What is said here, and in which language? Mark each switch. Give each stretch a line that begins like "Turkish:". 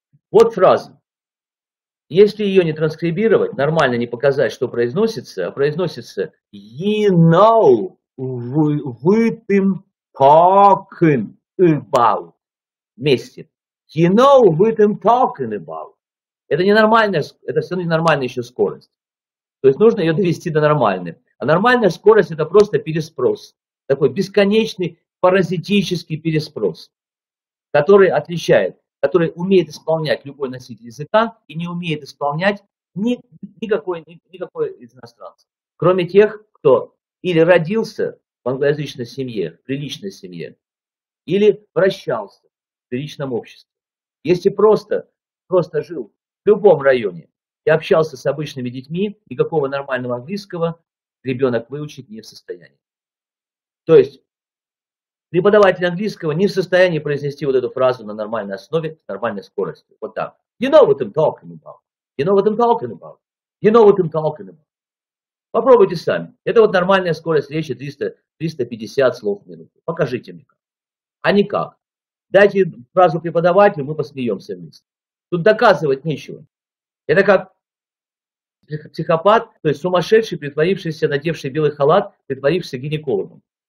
Russian: Вот фраза. Если ее не транскрибировать, нормально не показать, что произносится, а произносится
English: «You know what I'm talking about».
Russian: Вместе.
English: You know what I'm talking about.
Russian: Это ненормальная, это все равно ненормальная еще скорость. То есть нужно ее довести до нормальной. А нормальная скорость – это просто переспрос. Такой бесконечный паразитический переспрос, который отличает, который умеет исполнять любой носитель языка и не умеет исполнять никакой из иностранцев. Кроме тех, кто или родился в англоязычной семье, в приличной семье, или вращался в личном обществе. Если просто жил в любом районе и общался с обычными детьми, никакого нормального английского ребенок выучить не в состоянии. То есть преподаватель английского не в состоянии произнести вот эту фразу на нормальной основе, с нормальной скоростью. Вот так.
English: You know what I'm talking about. You know what I'm talking about. You know what I'm talking about.
Russian: Попробуйте сами. Это вот нормальная скорость речи 300-350 слов в минуту. Покажите мне как. А не как. Дайте фразу преподавателю, мы посмеемся вместе. Тут доказывать нечего. Это как психопат, то есть сумасшедший, притворившийся, надевший белый халат, притворившийся гинекологом.